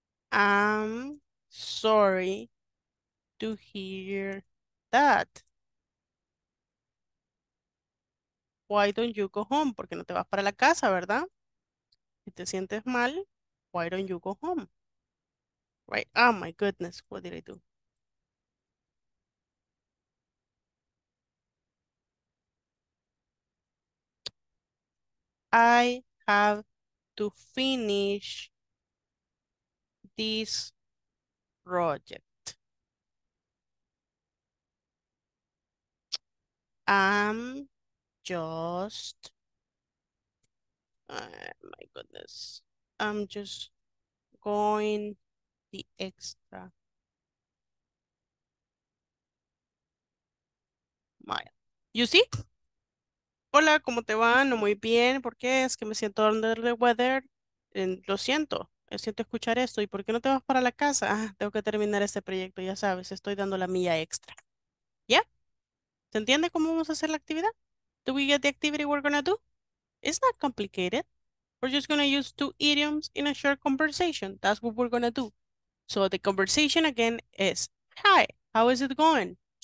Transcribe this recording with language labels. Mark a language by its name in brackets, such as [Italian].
[English] I'm sorry to hear that. Why don't you go home? [Spanish] Porque no te vas para la casa, ¿verdad? Si te sientes mal, [English] why don't you go home? Right. Oh my goodness, what did I do? I have to finish this project. I'm just, my goodness, I'm just going the extra mile. You see? [Spanish] Hola, ¿cómo te va? No muy bien. ¿Por qué? Es que me siento [English] under the weather. [Spanish] Lo siento. Siento escuchar esto. ¿Y por qué no te vas para la casa? Ah, tengo que terminar este proyecto. Ya sabes, estoy dando la milla extra. ¿Ya? ¿Se entiende cómo vamos a hacer la actividad? [English] Do we get the activity we're gonna do? It's not complicated. We're just gonna use two idioms in a short conversation. That's what we're gonna do. So the conversation again is, hi, how is it going?